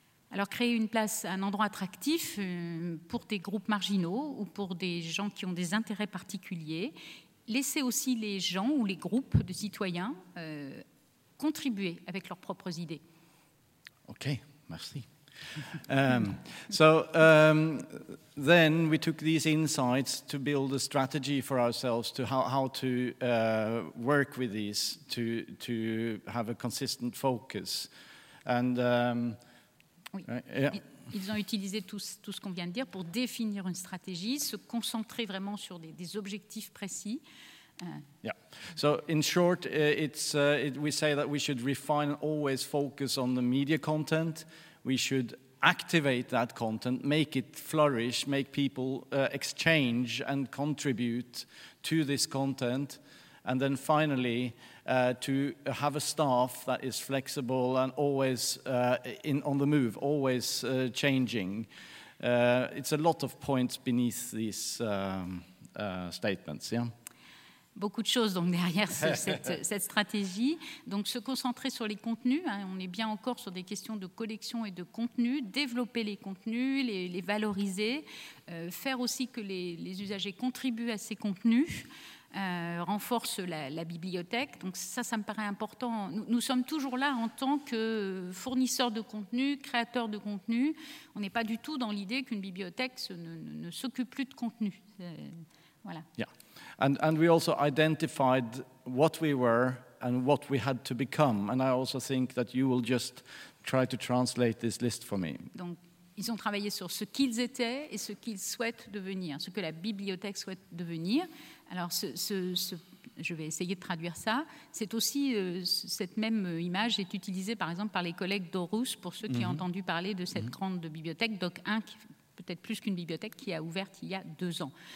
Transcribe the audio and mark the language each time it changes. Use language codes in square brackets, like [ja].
[fr] Alors, créer une place, un endroit attractif pour des groupes marginaux ou pour des gens qui ont des intérêts particuliers. Laisser aussi les gens ou les groupes de citoyens contribuer avec leurs propres idées. Okay, merci. [en] So then we took these insights to build a strategy for ourselves to how to work with these to have a consistent focus. And [fr] oui. [en] Right, yeah. [fr] Ils ont utilisé tout ce qu'on vient de dire pour définir une stratégie, se concentrer vraiment sur des objectifs précis. [en] Yeah. So in short, we say that we should refine and always focus on the media content. We should activate that content, make it flourish, make people exchange and contribute to this content. And then finally, to have a staff that is flexible and always on the move, always changing. It's a lot of points beneath these statements, yeah? [fr] Beaucoup de choses donc, derrière cette stratégie. Donc, se concentrer sur les contenus. Hein, on est bien encore sur des questions de collection et de contenu. Développer les contenus, les valoriser. Faire aussi que les usagers contribuent à ces contenus. Renforce la bibliothèque. Donc, ça me paraît important. Nous sommes toujours là en tant que fournisseurs de contenu, créateurs de contenu. On n'est pas du tout dans l'idée qu'une bibliothèque ne s'occupe plus de contenu. Voilà. [en] Yeah. And we also identified what we were and what we had to become. And I also think that you will just try to translate this list for me. [fr] Donc, ils ont travaillé sur ce qu'ils étaient et ce qu'ils souhaitent devenir, ce que la bibliothèque souhaite devenir. Alors, je vais essayer de traduire ça. C'est aussi, cette même image est utilisée, par exemple, par les collègues d'Aarhus, pour ceux qui ont entendu parler de cette grande bibliothèque, Doc 1, peut-être plus qu'une bibliothèque, qui a ouverte il y a 2 ans.